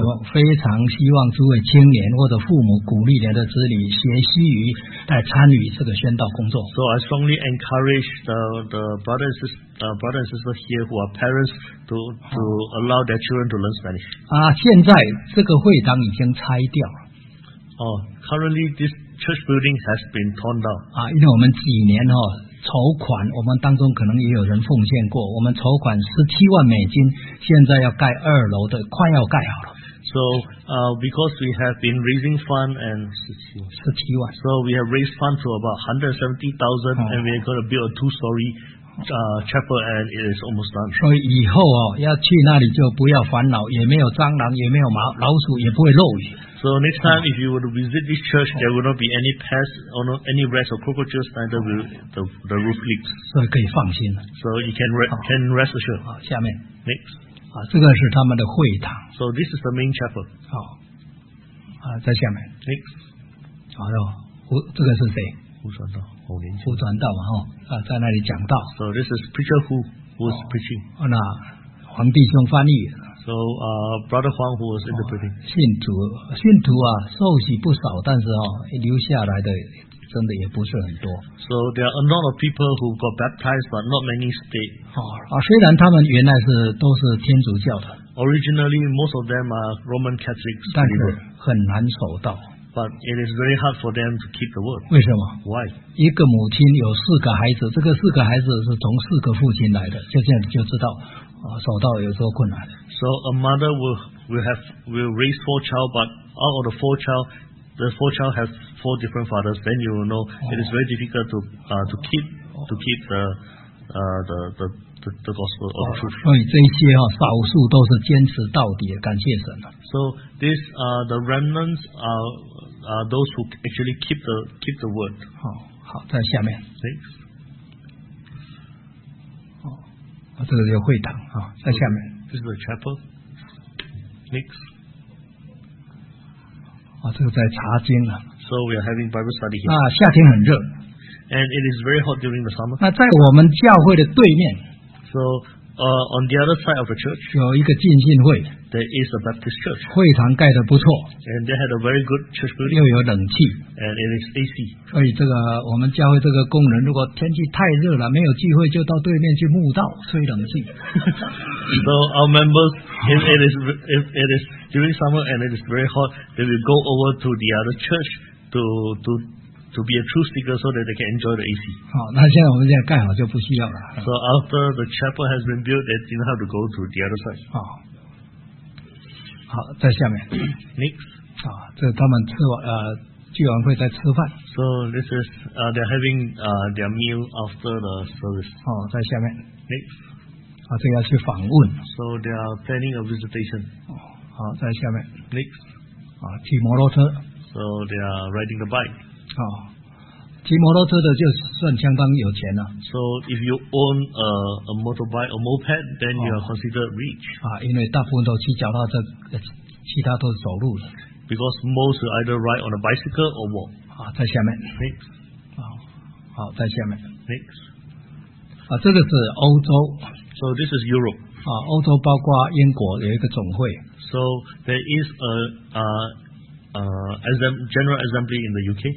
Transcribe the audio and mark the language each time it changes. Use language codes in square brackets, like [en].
[zh] 所以我非常希望诸位青年或者父母鼓励你的子女学西语来参与这个宣道工作。 [en] So I strongly encourage the brothers and sisters here who are parents to allow their children to learn Spanish. [zh] 啊，现在这个会堂已经拆掉了。 [en] Currently this church building has been torn down. [zh] 啊，因为我们几年哦。筹款，我们当中可能也有人奉献过。我们筹款17万美金，现在要盖二楼的，快要盖好了。 [en] So, because we have been raising fund and [zh] 17万 [en] ，so we have raised fund to about 170,000, and we are going to build a two-story chapel, and it is almost done. [zh] 所以以后哦，要去那里就不要烦恼，也没有蟑螂，也没有老鼠，也不会漏雨。 [en] So next time, if you were to visit this church, there will not be any pests or any rats or cockroaches under the roof leaks. So you can [zh] 放心。 [en] So you can rest assured. [zh] 好，下面 [en] next. [zh] 啊，这个是他们的会堂。 [en] So this is the main chapel. [zh] 好，啊，在下面 [en] next. [zh] 哎呦，这个是谁？胡传道，侯年。胡传道嘛，哈，啊，在那里讲道。 [en] So this is preacher who's preaching. [zh] 那黄弟兄翻译。 [en] So, Brother Huang, who was interpreting. [zh] 信徒啊，受洗不少，但是哦，留下来的真的也不是很多。 [en] So there are a lot of people who got baptized, but not many stayed. [zh] 虽然他们原来是都是天主教的。 [en] Originally, most of them are Roman Catholics. [zh] 但是很难守道。 [en] But it is very hard for them to keep the word. [zh] 为什么 [en] ？Why？ [zh] 一个母亲有四个孩子，这个四个孩子是从四个父亲来的，就这样就知道。守道有多困难。 [en] So a mother will raise four child, but out of the four child has four different fathers. Then you will know it is very difficult to keep the gospel of truth. [zh] 所以这些哈少数都是坚持到底，感谢神了。 [en] So these the remnants are those who actually keep the word. [zh] 好，在下面。 [en] Six. [zh] 这个叫会堂啊，在下面。 [en] This is the chapel. Next. [zh] 啊，这个在查经啊。 [en] So we are having Bible study here. [zh] 那夏天很热。 [en] And it is very hot during the summer. [zh] 那在我们教会的对面。 [en] So, on the other side of the church. [zh] 有一个浸信会。 [en] There is a Baptist church. [zh] 会堂盖得不错。 [en] And they had a very good church building. [zh] 又有冷气。 [en] And it is AC. [zh] 所以这个我们教会这个工人，如果天气太热了，没有机会就到对面去慕道吹冷气。 [en] So our members, if it is during summer and it is very hot, they will go over to the other church to be a true speaker so that they can enjoy the AC. [zh] 好，那现在我们现在盖好就不需要了。 [en] So after the chapel has been built, they didn't have to go to the other side. [zh] 好，在下面。 [en] Next. [zh] 啊，这他们吃完聚完会在吃饭。 [en] So this is they're having their meal after the service. [zh] 哦，在下面。 [en] Next. [zh] 啊，这要去访问。 [en] So they are planning a visitation. [zh] 哦，好，在下面。 [en] Next. [zh] 啊，骑摩托车。 [en] So they are riding the bike. [zh] 哦，骑摩托车的就算相当有钱了。 [en] So if you own a motorbike or moped, then you are considered rich. [zh] 啊，因为大部分都骑脚踏车，其他都是走路的。 [en] Because most either ride on a bicycle or walk. [zh] 好，在下面。 [en] Next. [zh] 好，在下面。 [en] Next. [zh] 啊，这个是欧洲。 [en] So this is Europe. [zh] 欧洲包括英国有一个总会。 [en] So there is a General Assembly in the UK.